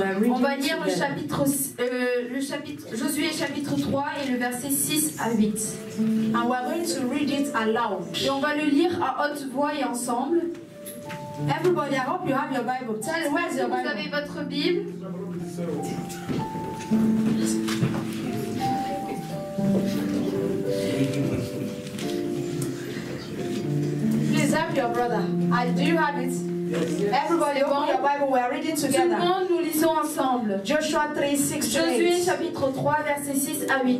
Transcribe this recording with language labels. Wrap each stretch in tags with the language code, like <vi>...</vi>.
<fr>On va lire le chapitre Josué chapitre 3 et le verset 6 à 8.</fr> <en>And we're going to read it aloud.</en> <fr>Et on va le lire à haute voix et ensemble.</fr> <en>Everybody, I hope you have your Bible. Tell me, where's your Bible?</en> <fr>Vous avez votre Bible?</fr> <en>Please help your brother. Do you have it? Yes, yes. Everybody, yes. Open your Bible. We are reading together.</en> <fr>Tout le monde, nous lisons ensemble.</fr> <en>Joshua 3, 6 to 8.</en> <fr>Josué chapitre 3, versets 6 à 8.</fr>